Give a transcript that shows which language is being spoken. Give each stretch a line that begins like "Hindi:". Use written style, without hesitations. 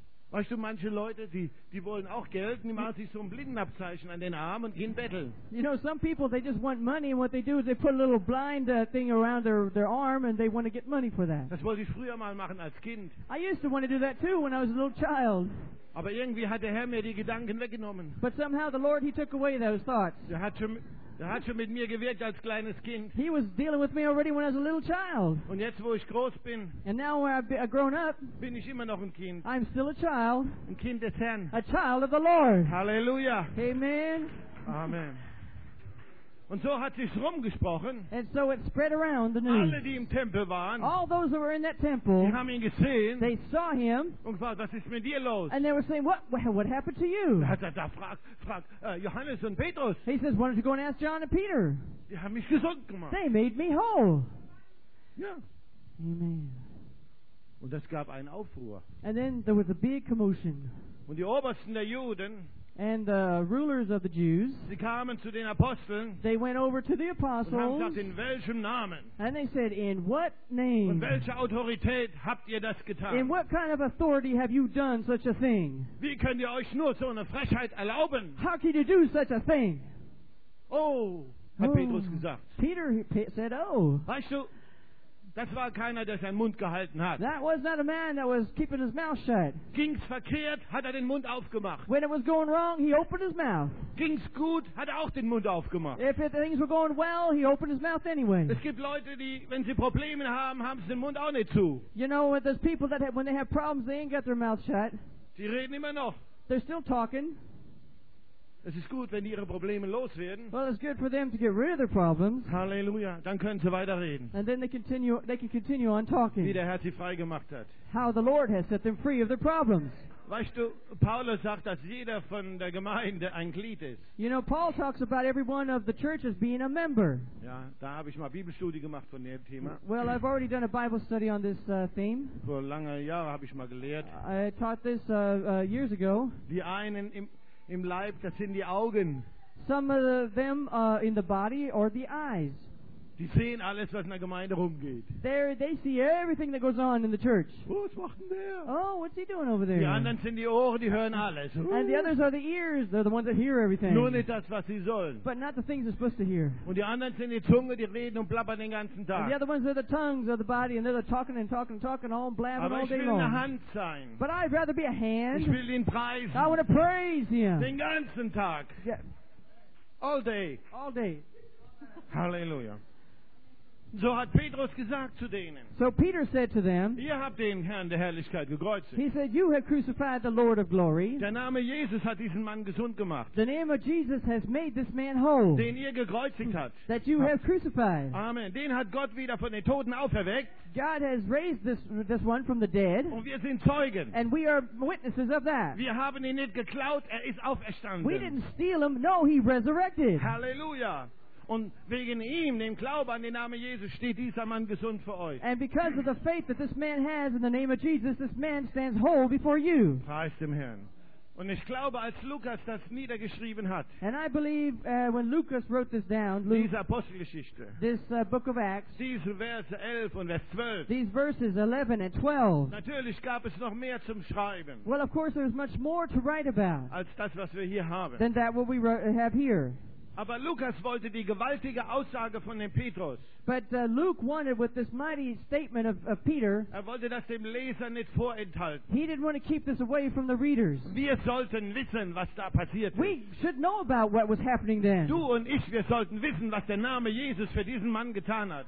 German: Weißt du, manche Leute, die wollen auch Geld, die machen sich so ein Blindenabzeichen an den Arm und gehen betteln.
English: You know, some people, they just want money, and what they do is they put a little blind thing around their arm and they want to get money for that.
German: Das wollte ich früher mal machen als Kind.
English: I used to want to do that too when I was a little child.
German: Aber irgendwie hat der Herr mir die Gedanken weggenommen.
English: But somehow the Lord, he took away those thoughts.
German: Er hat schon mit mir gewirkt als kleines Kind.
English: He was dealing with me already when I was a little child.
German: Und jetzt, wo ich groß bin,
English: and now where I've grown up,
German: bin ich immer noch ein Kind.
English: I'm still a child.
German: Ein Kind des Herrn.
English: A child of the Lord. Halleluja. Amen.
German: Amen. Und so hat sich rumgesprochen.
English: And so it spread around the news.
German: Alle, die im Tempel waren,
English: all those that were in that temple,
German: die haben ihn gesehen.
English: They saw him.
German: Und gesagt, was ist mit dir los?
English: And they were saying, what happened to you?
German: Da fragt Johannes und Petrus.
English: He says, why don't you go and ask John and Peter?
German: Die haben mich gesund gemacht.
English: They made me whole.
German: Ja.
English: Amen.
German: Und es gab einen Aufruhr.
English: And then there was a big commotion.
German: Und die Obersten der Juden.
English: And the rulers of the Jews,
German: sie kamen zu den Aposteln,
English: they went over to the apostles
German: und haben gesagt, in welchem Namen?
English: And they said, in what name?
German: Und welche Autorität habt ihr das getan?
English: In what kind of authority have you done such a thing?
German: Wie könnt ihr euch nur so eine Frechheit erlauben?
English: How can you do such a thing?
German: Oh, hat Petrus gesagt.
English: Peter said, oh.
German: Weißt du, das war keiner, der seinen Mund gehalten hat.
English: That was not a man that was keeping his mouth shut.
German: Ging's verkehrt, hat den Mund aufgemacht.
English: When it was going wrong, he opened his mouth.
German: Ging's gut, hat auch den Mund aufgemacht.
English: If things were going well, he opened his mouth anyway.
German: Es gibt Leute, die, wenn sie Probleme haben, haben sie den Mund auch nicht zu.
English: You know, there's people that when they have problems, they ain't got their mouth shut.
German: Die reden immer noch.
English: They're still talking.
German: Es ist gut, wenn ihre Probleme loswerden.
English: Well, it's good for them to get rid of their problems.
German: Halleluja, dann können sie weiterreden.
English: And then they can continue on talking.
German: Wie der Herr sie frei gemacht hat.
English: How the Lord has set them free of their problems.
German: Weißt du, Paulus sagt, dass jeder von der Gemeinde ein Glied ist.
English: You know, Paul talks about every one of the churches being a member.
German: Ja, da habe ich mal Bibelstudie gemacht von dem Thema.
English: Well, I've already done a Bible study on this theme.
German: Vor langen Jahren habe ich mal gelehrt.
English: I taught this years ago.
German: Die einen im Leib, das sind die Augen.
English: Some of them in the body or the eyes.
German: Die sehen alles, was in der Gemeinde rumgeht.
English: They see everything that goes on in the church.
German: Oh, was macht denn der?
English: Oh, what's he doing over there?
German: Die anderen sind die Ohren, die hören alles.
English: And the others are the ears, they're the ones that hear everything.
German: Nur nicht das, was sie sollen.
English: But not the things they're supposed to hear.
German: Und die anderen sind die Zunge, die reden und blabbern den ganzen Tag.
English: And the other ones are the tongues of the body, and they're talking and talking and talking all blabbering all day long.
German: Aber ich will eine Hand sein.
English: But I'd rather be a hand.
German: Ich will ihn preisen.
English: I want to praise him.
German: Den ganzen Tag.
English: Yeah. All day. All day.
German: Halleluja. So hat Petrus gesagt zu denen.
English: So Peter said to them.
German: Ihr habt den Herrn der Herrlichkeit gekreuzigt.
English: He said, you have crucified the Lord of glory.
German: Der Name Jesus hat diesen Mann gesund gemacht.
English: The name of Jesus has made this man whole.
German: Den ihr gekreuzigt habt.
English: That you have crucified. Amen.
German: Den hat Gott wieder von den Toten auferweckt.
English: God has raised this one from the dead.
German: Und wir sind Zeugen.
English: And we are witnesses of that.
German: Wir haben ihn nicht geklaut, er ist auferstanden.
English: We didn't steal him. No, he resurrected. Halleluja.
German: Und wegen ihm, dem Glauben an den Namen Jesus, steht dieser Mann gesund vor euch.
English: And because of the faith that this man has in the name of Jesus, this man stands whole before you.
German: Preis dem Herrn. Und ich glaube, als Lukas das niedergeschrieben hat,
English: and I believe when Lucas wrote this down,
German: Luke, diese Apostelgeschichte,
English: this book of Acts,
German: diese Verse 11 und Vers 12,
English: these verses 11 and 12,
German: natürlich gab es noch mehr zum Schreiben,
English: well, of course, there's much more to write about
German: als das, was wir hier haben,
English: than that what we have here.
German: Aber Lukas wollte die gewaltige Aussage von dem Petrus.
English: But Luke wanted with this mighty statement of Peter.
German: Er wollte das dem Leser nicht vorenthalten.
English: He didn't want to keep this away from the readers.
German: Wir sollten wissen, was da passiert ist.
English: We should know about what was happening then.
German: Du und ich, wir sollten wissen, was der Name Jesus für diesen Mann getan hat.